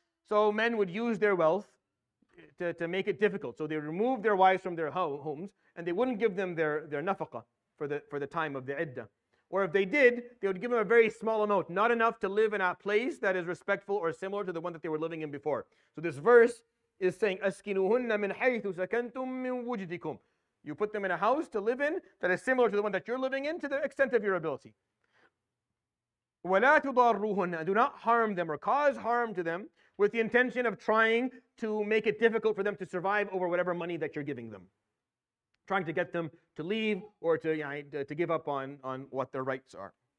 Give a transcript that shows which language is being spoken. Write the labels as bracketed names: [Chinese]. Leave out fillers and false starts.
[English] So men would use their wealth to make it difficult. So they remove their wives from their homes, and they wouldn't give them their nafaqah for the time of the iddah. Or if they did, they would give them a very small amount, not enough to live in a place that is respectful or similar to the one that they were living in before. So this verse is saying, [Arabic] أَسْكِنُهُنَّ مِنْ حَيْثُ سَكَنْتُمْ مِنْ وُجْدِكُمْ. [English] You put them in a house to live in that is similar to the one that you're living in to the extent of your ability. [Arabic] وَلَا تُضَارُّهُنَّ. [English] Do not harm them or cause harm to them with the intention of trying to make it difficult for them to survive over whatever money that you're giving them. Trying to get them to leave or to, you know, to give up on what their rights are.